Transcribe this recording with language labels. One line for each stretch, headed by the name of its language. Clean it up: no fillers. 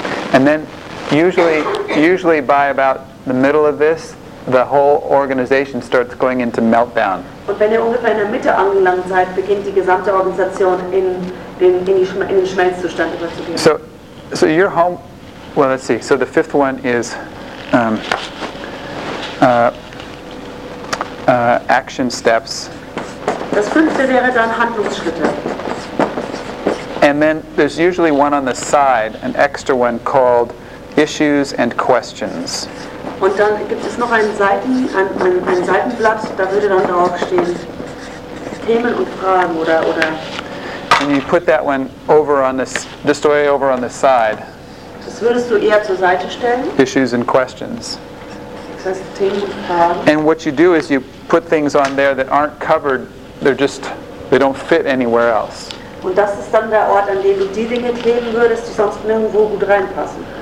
English: And then usually by about the middle of this, the whole organization starts going into meltdown.
German: Und wenn ihr ungefähr in der Mitte angelangt seid, beginnt die gesamte Organisation in den Schmelzzustand überzugehen.
English: So your home, well, let's see. So the fifth one is action steps.
German: Das fünfte wäre dann Handlungsschritte.
English: And then there's usually one on the side, an extra one called issues and questions.
German: Und dann gibt es noch ein Seitenblatt, da würde dann drauf stehen Themen und Fragen oder.
English: And you put that one over on this story over on the side.
German: Das würdest du eher zur Seite stellen.
English: Issues and questions.
German: Das heißt Themen und Fragen.
English: And what you do is you put things on there that aren't covered. They don't fit anywhere else.
German: Und das ist dann der Ort, an dem du die Dinge kleben würdest, die sonst nirgendwo gut reinpassen.